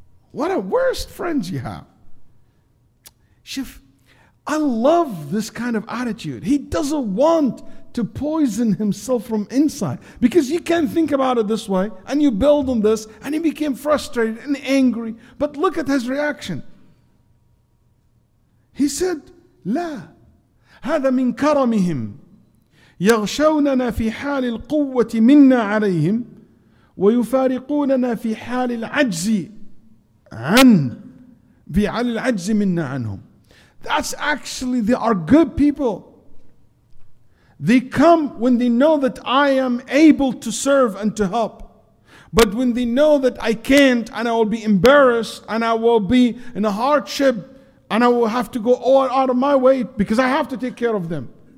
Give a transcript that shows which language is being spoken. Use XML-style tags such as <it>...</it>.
<en>What a worst friend you have. Shif, I love this kind of attitude. He doesn't want to poison himself from inside. Because you can think about it this way, and you build on this, and he became frustrated and angry. But look at his reaction. He said,</en> <ar>لا هذا من كرمهم يغشوننا في حال القوة منا عليهم ويفارقوننا في حال العجز عن في حال العجز منا عنهم.</ar> <en>That's actually, they are good people. They come when they know that I am able to serve and to help. But when they know that I can't, and I will be embarrassed, and I will be in a hardship, and I will have to go all out of my way because I have to take care of them.</en>